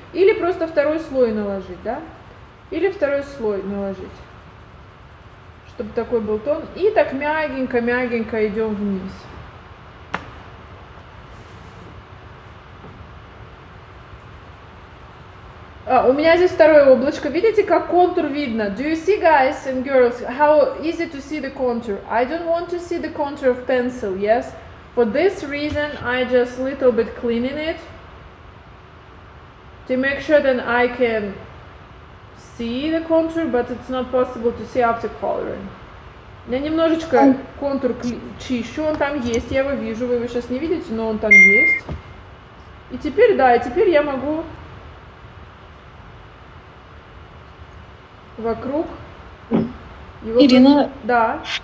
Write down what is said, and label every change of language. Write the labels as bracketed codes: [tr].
[ru] Или просто второй слой наложить, да, или второй слой наложить. Чтобы такой был тон. И так мягенько идем вниз. У меня здесь второе облачко. Видите, как контур видно? [en] Do you see, guys and girls, how easy to see the contour? I don't want to see the contour of pencil, yes? For this reason, I just little bit cleaning it to make sure that I can see the contour, but it's not possible to see after coloring. [ru] Я немножечко контур чищу, он там есть, я его вижу, вы его сейчас не видите, но он там есть. И теперь, да, и теперь я могу вокруг его... Ирина? Да.